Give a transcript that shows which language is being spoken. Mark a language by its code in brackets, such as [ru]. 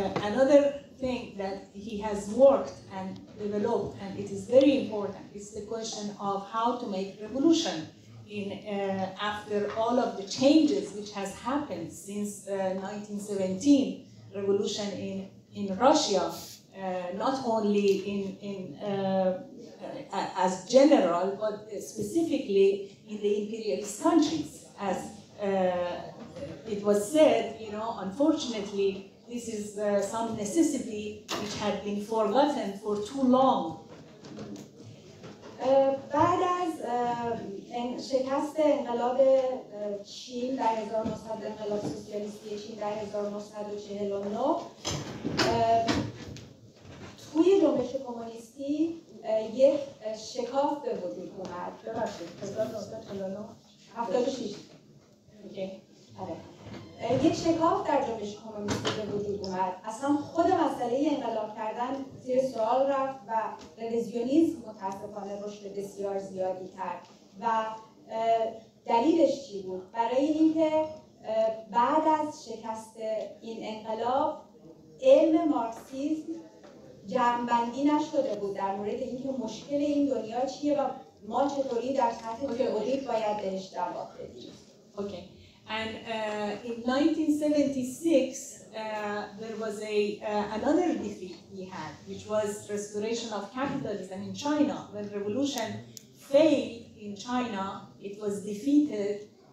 [en] Another thing that he has worked and developed, and it is very important, is the question of how to make revolution in after all of the changes which has happened since 1917 revolution in Russia, not only in as general but specifically in the imperialist countries, as it was said, you know, unfortunately, this is some necessity which had been forgotten for too long. [fa] بعد از شکست انقلاب چین در 1900 انقلاب سوسیالیستی چین در 1949 توی جنبش کمونیستی یک شکاف به وجود اومد. ببخشید 1976 یک شکاف در جنبش کمونیستی به وجود اومد. اصلا خود مسئله انقلاب کردن زیر سوال رفت و ریلیزیونیزم متاسفانه رشد بسیار زیادی کرد. و دلیلش چی بود؟ برای اینکه بعد از شکست این انقلاب علم مارکسیسم جمع‌بندی نشده بود در مورد اینکه مشکل این دنیا چیه و ما چطوری در سطح تئوریک باید بهش جواب بدیم. [en] Okay. And in 1976, there was another defeat he had, which was restoration of capitalism in China. When revolution failed in China, it was defeated.